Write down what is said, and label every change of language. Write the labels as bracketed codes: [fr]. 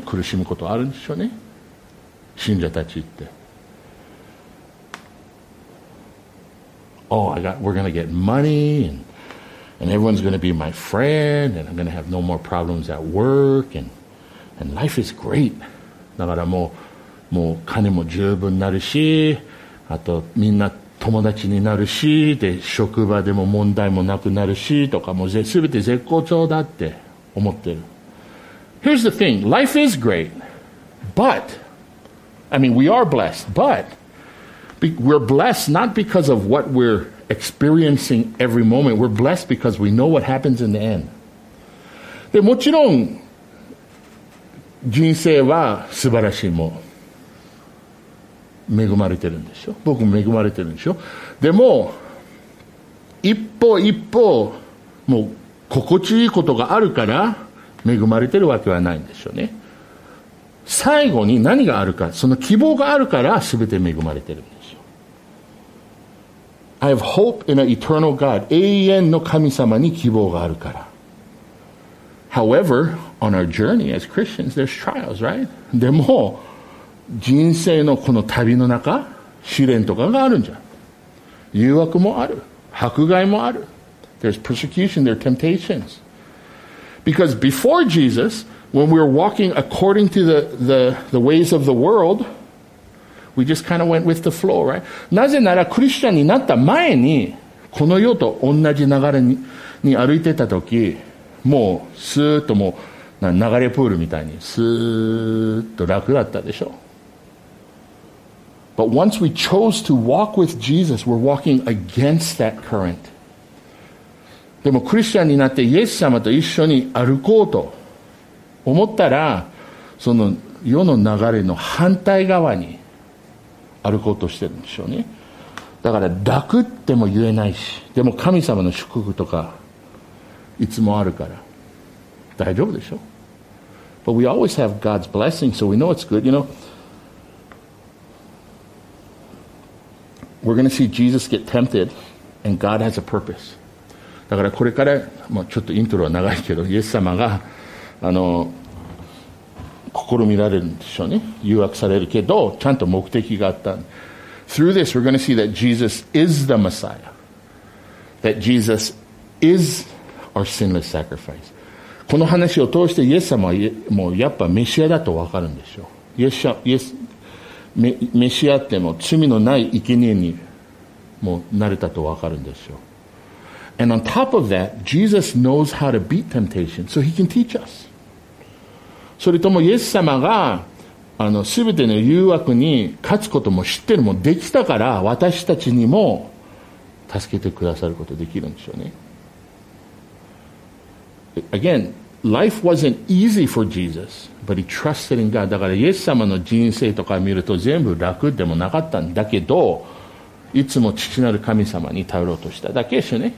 [ja] 苦しむことあるんでしょうね、信者たちって。 [en] Oh, I got, we're going to get money and everyone's going to be my friend and I'm going to have no more problems at work and life is great. [ja] だからもう金も十分になるし、あとみんな友達になるし、で職場でも問題もなくなるしとか、もう全て絶好調だって思ってる。 [en] Here's the thing, life is great, but I mean we are blessed, but we're blessed not because of what we're experiencing every moment, we're blessed because we know what happens in the end. [ja] でもちろん人生は素晴らしい、もう恵まれてるんでしょ、僕も恵まれてるんでしょ、でも一歩一歩もう心地いいことがあるから恵まれてるわけはないんでしょうね。最後に何があるか、その希望があるから全て恵まれてるんでしょう。 [en] I have hope in an eternal God. [ja] 永遠の神様に希望があるから。 [en] However, on our journey as Christians, there's trials, right? [ja] でも人生のこの旅の中、試練とかがあるんじゃん。誘惑もある、迫害もある。 [en] There's persecution, there are temptations. Because before Jesus, when we were walking according to the ways of the world, we just kind of went with the flow, right? [ja] なぜならクリスチャンになった前に、この世と同じ流れ に歩いてた時、もうスーッともう流れプールみたいにスーッと楽だったでしょ。 [en] But once we chose to walk with Jesus, we're walking against that current. [ja] でもクリスチャンになってイエス様と一緒に歩こうと思ったら、その世の流れの反対側に歩こうとしてるんでしょうね。だから抱くっても言えないし、でも神様の祝福とかいつもあるから大丈夫でしょ。 [en] But we always have God's blessing, so we know it's good. You know, we're going to see Jesus get tempted and God has a purpose. [ja] だからこれから、まあ、ちょっとイントロは長いけど、イエス様が試みられるんでしょうね、誘惑されるけど、ちゃんと目的があった。 [en] Through this we're going to see that Jesus is the Messiah, that Jesus is our sinless sacrifice. [ja] この話を通してイエス様はもうやっぱメシアだと分かるんでしょう。メシアっても罪のない生贄にもうなれたと分かるんでしょう。 [en] And on top of that, Jesus knows how to beat temptation, so he can teach us. [ja] それともイエス様が全ての誘惑に勝つことも知ってるもできたから、私たちにも助けてくださることできるんでしょうね。 [en] Again, life wasn't easy for Jesus, but he trusted in God. [ja] だからイエス様の人生とか見ると全部楽でもなかったんだけど、いつも父なる神様に頼ろうとしただけですよね。